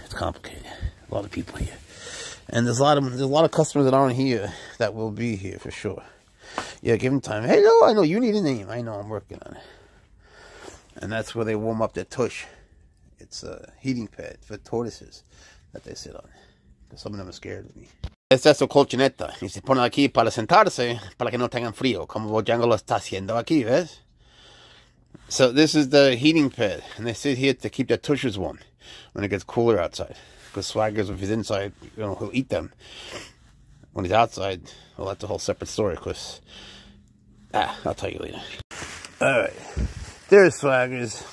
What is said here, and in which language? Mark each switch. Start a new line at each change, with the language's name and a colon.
English: A lot of people here. And there's a lot of customers that aren't here that will be here for sure. Yeah, give them time. Hello, I know you need a name. I know, I'm working on it. And that's where they warm up their tush. It's a heating pad for tortoises that they sit on. Some of them are scared of me.
Spanish: Esta es su colchoneta. Y se ponen aquí para sentarse, para que no tengan frío, como Bojangles lo está haciendo aquí, ¿ves?
English: So this is the heating pad, and they sit here to keep their tushes warm when it gets cooler outside. Because swaggers, if he's inside, you know, he'll eat them. When he's outside, well, that's a whole separate story, of course. I'll tell you later. Alright. There's Swaggers.